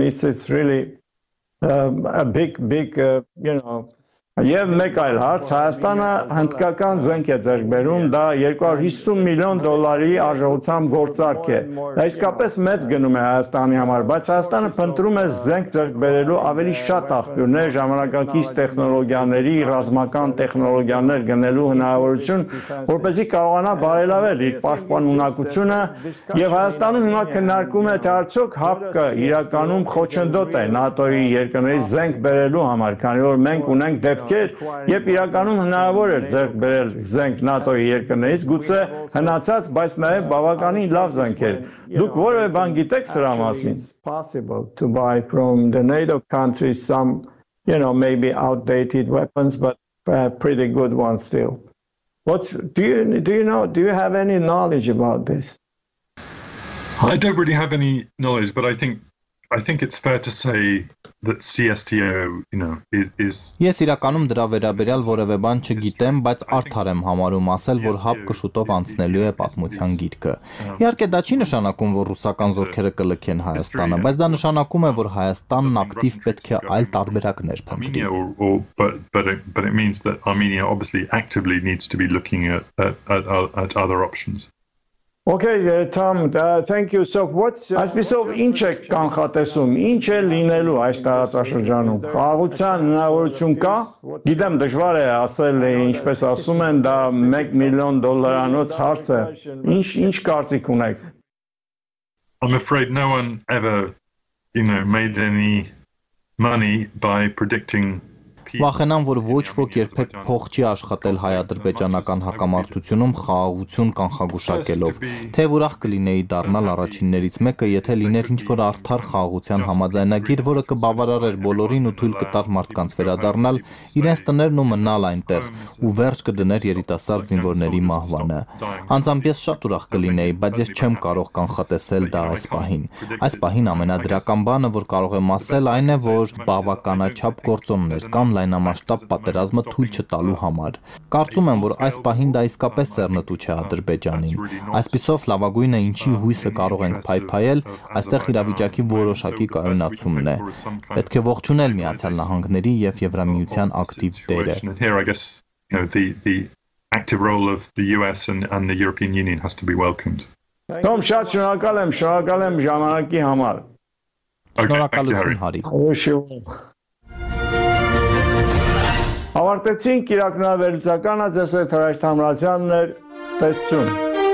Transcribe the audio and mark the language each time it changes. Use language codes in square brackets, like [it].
[en] It's really a big you know. [hy] Եվ մեկ այլ հարց, Հայաստանը հնդկական զենք է ձեռք բերում, դա 250 միլիոն դոլարի արժեությամբ գործարք է։ Դա իսկապես մեծ գնում է Հայաստանի համար, բայց Հայաստանը փնտրում է զենք ձեռք բերելու ավելի շատ աղբյուրներ, ժամանակակից տեխնոլոգիաների, ռազմական տեխնոլոգիաներ գնելու հնարավորություն, որպեսզի կարողանա բարելավել իր պաշտպանունակությունը, եւ Հայաստանը հիմա քննարկում է, թե արդյոք ՀԱՊԿ-ը իրականում խոչընդոտ է ՆԱՏՕ-ի երկրների զենք բերելու համար, քանի որ մենք ունենք դեպքեր, երբ իրականում հնարավոր էր ձեռք բերել զենք ՆԱՏՕ-ի երկրներից, գուցե հնացած, բայց նաև բավականին լավ զենքեր։ Դուք որևէ բան գիտեք սրա մասին? [en] Possible to buy from the NATO countries some, you know, maybe outdated weapons, but pretty good ones still. Do you have any knowledge about this? I don't really have any knowledge, but I think it's fair to say that CSTO, you know, is [hy] Yes, իրականում դրա վերաբերյալ որևէ բան չգիտեմ, բայց արդար եմ համարում ասել, որ ՀԱՊԿ-ը շուտով անցնելու է պատմության գիրկը։ Իհարկե դա չի նշանակում, որ ռուսական զորքերը կլքեն Հայաստանը, բայց դա նշանակում է, որ Հայաստանն ակտիվ պետք է այլ տարբերակներ փնտրի։ [en] But it means that Armenia obviously actively needs to be looking at other options. Okay, Tom, thank you. [hy] So այսպիսով ինչ է կանխատեսում, ինչ է լինելու այս տարածաշրջանում։ Խաղաղության հնարավորություն կա։ Գիտեմ, դժվար է ասել, ինչպես ասում են, դա 1 միլիոն դոլարանոց հարց է։ Ինչ կարծիք ունեք։ [en] I'm afraid no one ever, you know, made any money by predicting [hy] Վախենամ, որ ոչ ոք երբեք փող չի աշխատել հայ-ադրբեջանական հակամարտությունում խաղաղություն կանխագուշակելով, թե ուրախ կլինեի դառնալ առաջիններից մեկը, եթե լիներ ինչ-որ արդար խաղաղության համաձայնագիր, որը կբավարարեր բոլորին ու թույլ կտար մարդկանց վերադառնալ իրենց տներն ու մնալ այնտեղ, ու վերջ կդներ երիտասարդ զինվորների մահվանը։ Անձամբ ես շատ ուրախ կլինեի, բայց ես չեմ կարող կանխատեսել դա այս պահին։ Այս պահին ամենադրական բանը, որ կարող եմ ասել, այն է, որ բավականաչափ գործոններ կան լայնամասշտաբ պատերազմը թույլ չտալու համար։ Կարծում եմ, որ այս պահին դա իսկապես ծեռնտու չէ Ադրբեջանին։ Այսպիսով լավագույնը, ինչի հույսը կարող ենք փայփայել, այստեղ իրավիճակի որոշակի կայունացումն է։ Պետք է ողջունել Միացյալ Նահանգների եւ Եվրամիության ակտիվ դերը։ [en] The active role of the US and the European Union has to be welcomed. [hy] Տոմ, շատ շնորհակալ եմ, ժամանակի համար։ Շնորհակալություն, Հարի։ Ավարտեցինք իրաքնավերուցականը, ձեզ հետ հրաշք Թամրազյանն էր, ստեսություն։